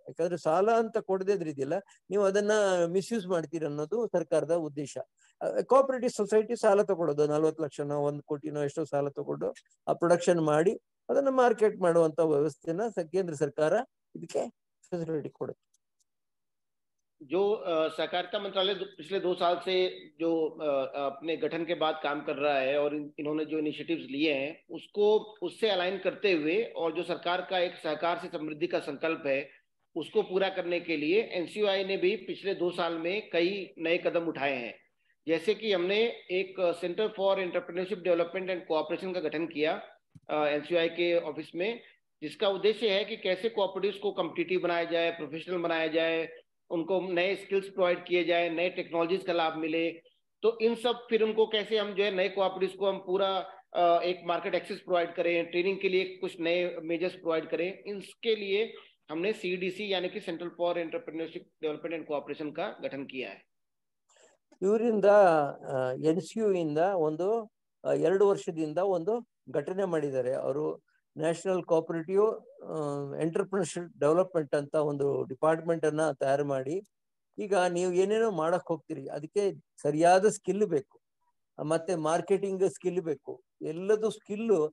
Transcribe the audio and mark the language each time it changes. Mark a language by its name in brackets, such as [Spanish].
[Kannada] ಯಾಕಂದ್ರೆ ಸಾಲ ಅಂತ ಕೊಡದೇ ಇದ್ರಿದ್ದಿಲ್ಲ, ನೀವು ಅದನ್ನ ಮಿಸ್ಯೂಸ್ ಮಾಡ್ತೀರ ಅನ್ನೋದು ಸರ್ಕಾರದ ಉದ್ದೇಶ. ಕೋಆಪರೇಟಿವ್ ಸೊಸೈಟಿ ಸಾಲ ತಗೊಳ್ಳೋದು 40 ಲಕ್ಷನೋ 1 ಕೋಟಿನೋ ಎಷ್ಟೋ ಸಾಲ ತಗೊಂಡು ಆ ಪ್ರೊಡಕ್ಷನ್ ಮಾಡಿ ಅದನ್ನ ಮಾರ್ಕೆಟ್ ಮಾಡುವಂತ ವ್ಯವಸ್ಥೆನ ಕೇಂದ್ರ ಸರ್ಕಾರ ಇದಕ್ಕೆ ಫೆಸಿಲಿಟಿ ಕೊಡುತ್ತೆ. [Hindi] जो सहकारिता मंत्रालय पिछले 2 साल से जो अपने गठन के बाद काम कर रहा है और इन्होंने जो इनिशिएटिव्स लिए हैं उसको उससे अलाइन करते हुए और जो सरकार का एक सहकार से समृद्धि का संकल्प है उसको पूरा करने के लिए एनसीयूआई ने भी पिछले 2 साल में कई नए कदम उठाए हैं. जैसे कि हमने एक centre for entrepreneurship development and cooperation का गठन किया एनसीयूआई के ऑफिस में, जिसका उद्देश्य है कि कैसे कोऑपरेटिव्स को कम्पिटिटिव बनाया जाए, प्रोफेशनल बनाया जाए, उनको नए स्किल्स प्रोवाइड किए जाए, नए टेक्नोलॉजीज का लाभ मिले. तो इन सब फिर उनको कैसे हम जो है नए कोऑपरेटिव्स को हम पूरा एक मार्केट एक्सेस प्रोवाइड करें, ट्रेनिंग के लिए कुछ नए मेजर्स प्रोवाइड करें, इसके लिए हमने सीडीसी यानी कि central for entrepreneurship development and cooperation का गठन किया है. [Kannada] ಇವರಿಂದ ಎನ್ಸಿಯು ಇಂದ ಒಂದು 2 ವರ್ಷದಿಂದ ಒಂದು ಘಟನೆ ಮಾಡಿದ್ದಾರೆ ಅವರು. ನ್ಯಾಷನಲ್ ಕೋಆಪರೇಟಿವ್ ಎಂಟರ್ಪ್ರಿನರ್ಶಿಪ್ ಡೆವಲಪ್ಮೆಂಟ್ ಅಂತ ಒಂದು ಡಿಪಾರ್ಟ್ಮೆಂಟನ್ನು ತಯಾರು ಮಾಡಿ ಈಗ ನೀವು ಏನೇನೋ ಮಾಡೋಕ್ಕೆ ಹೋಗ್ತೀರಿ ಅದಕ್ಕೆ ಸರಿಯಾದ ಸ್ಕಿಲ್ ಬೇಕು, ಮತ್ತು ಮಾರ್ಕೆಟಿಂಗ್ ಸ್ಕಿಲ್ ಬೇಕು, ಎಲ್ಲದು ಸ್ಕಿಲ್ಲು.